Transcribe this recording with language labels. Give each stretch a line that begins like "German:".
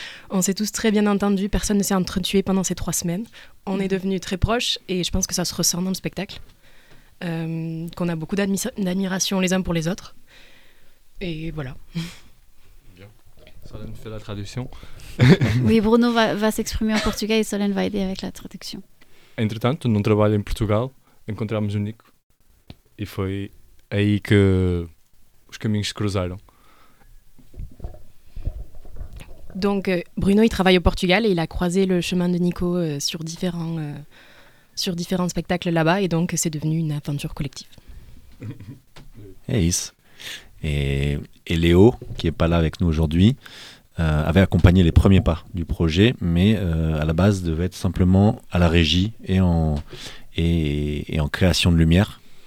French: On s'est tous très bien entendus, personne ne s'est entretué pendant ces 3 semaines. On est devenus très proches, et je pense que ça se ressent dans le spectacle. Qu'on a beaucoup d'admiration les uns pour les autres. Et voilà. Bien. Solène fait la traduction. Oui, Bruno va s'exprimer en portugais, et Solène va aider avec la traduction.
Portuguese: Entretanto, no trabalho em Portugal, encontramos o Nico. E foi aí que os caminhos se cruzaram.
French: Donc Bruno, il travaille au Portugal et il a croisé le chemin de Nico sur différents spectacles là-bas, et donc c'est devenu une aventure collective. Et Léo, qui est pas là avec nous aujourd'hui, avait accompagné les premiers pas du projet, mais à la base devait être simplement à la régie et en création de lumière.